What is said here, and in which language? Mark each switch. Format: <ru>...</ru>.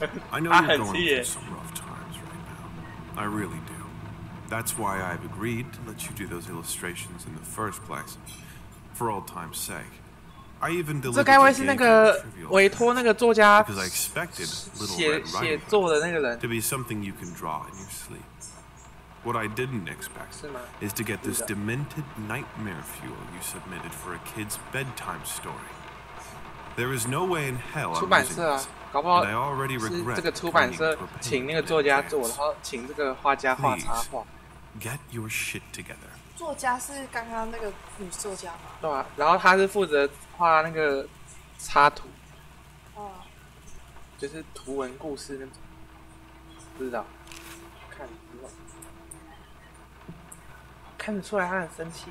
<en>I know you're going through some rough times right now. I really do. That's why I've agreed to let you do those illustrations in the first place, for old time's sake. I even</en> <zh>这该不会是那个委托那个作家写作的那个人</zh> <en>？To be something you can draw in your sleep. What I didn't expect is to get this demented nightmare fuel you submitted for a kid's bedtime story. There is no way in hell.</en> <zh>出版社啊，搞不好</zh> <en>I already regret</en> <zh>这个出版社请那个作家做，然后请这个画家画插画。</zh> <en>Get your shit together.</en> <zh>作家是刚刚那个女作家吗？对啊，然后他是负责。画那个插图，就是图文故事那种，不知道，看不懂，看得出来他很生气。</zh>